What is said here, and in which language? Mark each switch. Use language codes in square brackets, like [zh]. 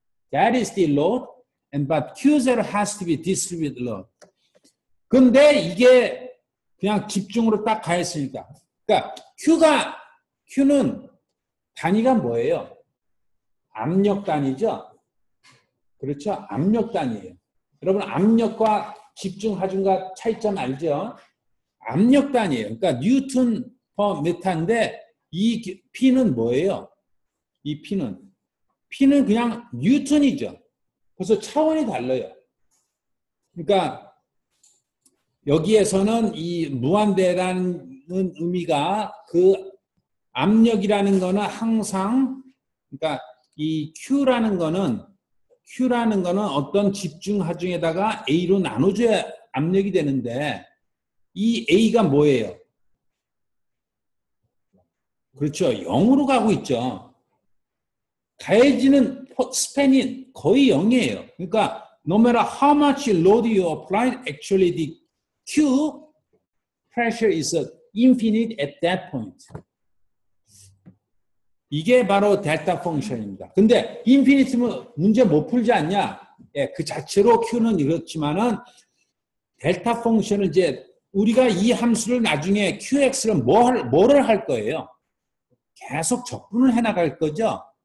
[en] That is the load, but Q0 has to be distributed load. [ko] 근데 이게 그냥 집중으로 딱 가했으니까. 그러니까 Q는 단위가 뭐예요? 압력 단위죠? 그렇죠? 압력 단위예요. 여러분, 압력과 집중, 하중과 차이점 알죠? 압력 단위예요. 그러니까 뉴턴 퍼 미터인데 이 P는 뭐예요? 이 P는 그냥 뉴턴이죠. 그래서 차원이 달라요. 그러니까 여기에서는 이 무한대라는 의미가 그 압력이라는 거는 항상 그러니까 이 Q라는 거는 어떤 집중 하중에다가 A로 나눠줘야 압력이 되는데. 이 A가 뭐예요? 그렇죠. 0으로 가고 있죠. 가해지는 스팬이 거의 0이에요. 그러니까 [en] no matter how much load you apply, actually the Q pressure is infinite at that point. [ko] 이게 바로 델타 펑션입니다. 근데 infinite면 문제 못 풀지 않냐? 예, 그 자체로 Q는 이렇지만은 델타 펑션을 이제 우리가 이 함수를 나중에 QX를 뭐를 할 거예요? 계속 적분을 해나갈 거죠.